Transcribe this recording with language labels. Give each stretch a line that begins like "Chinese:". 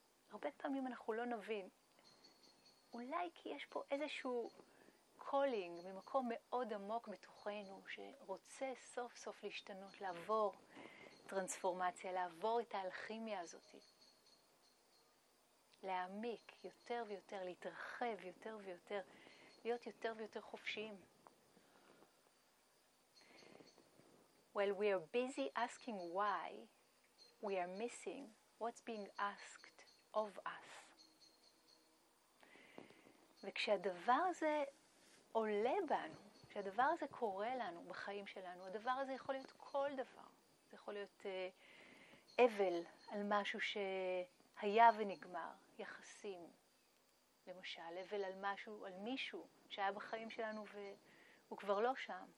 Hebrew: הרבה פעמים אנחנו לא נבין. אולי כי יש פה איזשהו קולינג ממקום מאוד עמוק בתוכנו שרוצה סוף סוף להשתנות, לעבור טרנספורמציה, לעבור את האלכימיה הזאת. להעמיק יותר ויותר, להתרחב יותר ויותר, להיות יותר ויותר חופשיים.
English: While we are busy asking why, we are missing what's being asked of us.
Hebrew: וכשהדבר הזה עולה בנו, כשהדבר הזה קורה לנו בחיים שלנו, הדבר הזה יכול להיות כל דבר. זה יכול להיות אבל על משהו שהיה ונגמר, יחסים, למשל, אבל על משהו, על מישהו שהיה בחיים שלנו והוא כבר לא שם.